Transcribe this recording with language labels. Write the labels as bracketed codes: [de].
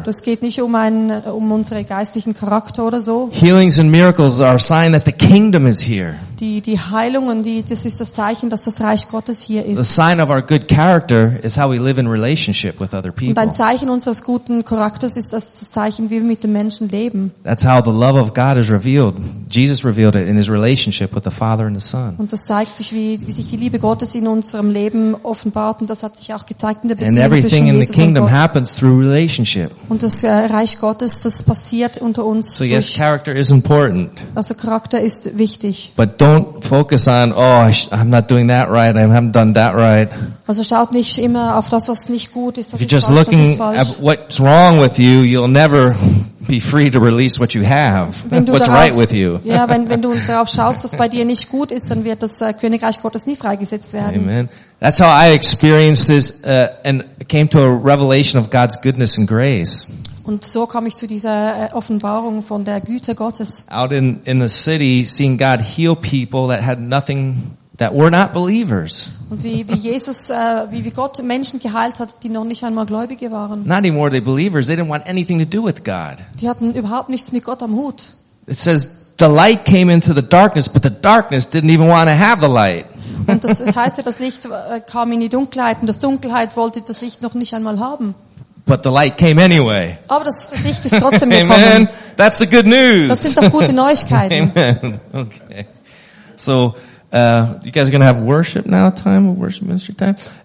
[de] Das geht nicht um unsere geistlichen Charakter oder so. [en] Healings and miracles are a sign that the kingdom is here. [de] Die Heilungen, das ist das Zeichen, dass das Reich Gottes hier ist. [en] The sign of our good character is how we live in relationship with other people. [de] Und ein Zeichen unseres guten Charakters ist das Zeichen, wie wir mit den Menschen leben. [en] That's how the love of God is revealed. Jesus revealed it in his relationship with the Father and the Son. [de] Und das zeigt sich, wie sich die Liebe Gottes in unserem Leben offenbart, und das hat sich auch gezeigt in der Beziehung zwischen Jesus [en] the kingdom [de] und Gott. [en] Happens through relationship. [de] Und das Reich Gottes, das passiert unter uns. [en] So yes, character is important. [de] Also Charakter ist wichtig. [en] But don't focus on, oh, I'm not doing that right, I haven't done that right. [de] Also schaut nicht immer auf das, was nicht gut ist, das [en] you're just [de] falsch, [en] looking [de] das ist [en] at what's wrong with you, you'll never be free to release what you have, what's [de] darauf, [en] right with you. [de] Ja, wenn du darauf schaust, was bei dir nicht gut ist, dann wird das Königreich Gottes nie freigesetzt werden. [en] Amen. That's how I experienced this and came to a revelation of God's goodness and grace. [de] Und so komme ich zu dieser Offenbarung von der Güte Gottes. [en] Out in the city, seeing God heal people that had nothing, that were not believers. [de] Und wie Jesus, wie Gott Menschen geheilt hat, die noch nicht einmal Gläubige waren. [en] Not even were they believers, they didn't want anything to do with God. [de] Die hatten überhaupt nichts mit Gott am Hut. [en] It says, the light came into the darkness, but the darkness didn't even want to have the light. [de] Und das heißt ja, das Licht kam in die Dunkelheit, und das Dunkelheit wollte das Licht noch nicht einmal haben. [en] But the light came anyway. [de] Aber das Licht ist trotzdem gekommen. [en] Amen. That's the good news. [de] Das sind doch gute Neuigkeiten. [en] Amen. Okay. So, you guys are gonna have worship now, time of worship ministry time.